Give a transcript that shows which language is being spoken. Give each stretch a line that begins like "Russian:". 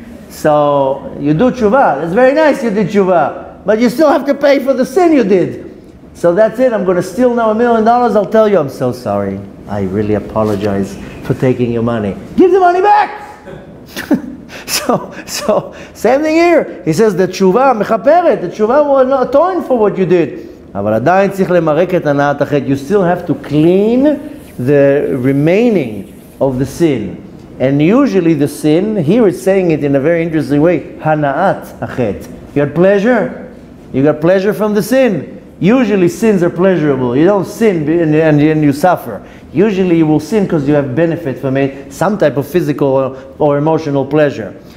English: So you do tshuva, it's very nice you did tshuva, but you still have to pay for the sin you did. So that's it, I'm going to steal now $1 million, I'll tell you, I'm so sorry. I really apologize for taking your money. Give the money back! So same thing here. He says, the tshuva mechaperet, the tshuva will not atone for what you did.
Hebrew: אבל עדיין צריך למרק את הנעת החטא.
English: You still have to clean the remaining of the sin. And usually the sin, here it's saying it in a very interesting way, הנעת החטא. You got pleasure? You got pleasure from the sin? Usually sins are pleasurable. You don't sin and you suffer. Usually you will sin because you have benefit from it, some type of physical or emotional pleasure.